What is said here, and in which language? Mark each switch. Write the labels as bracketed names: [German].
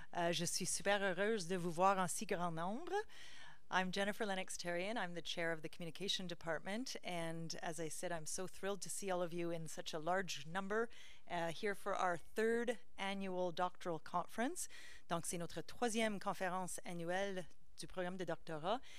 [French] Je suis super heureuse de vous voir en si grand nombre. [English] I'm Jennifer Lennox-Terrien. I'm the chair of the communication department. And as I said, I'm so thrilled to see all of you in such a large number here for our third annual doctoral conference. [French] Donc, c'est notre troisième conférence annuelle du programme de doctorat.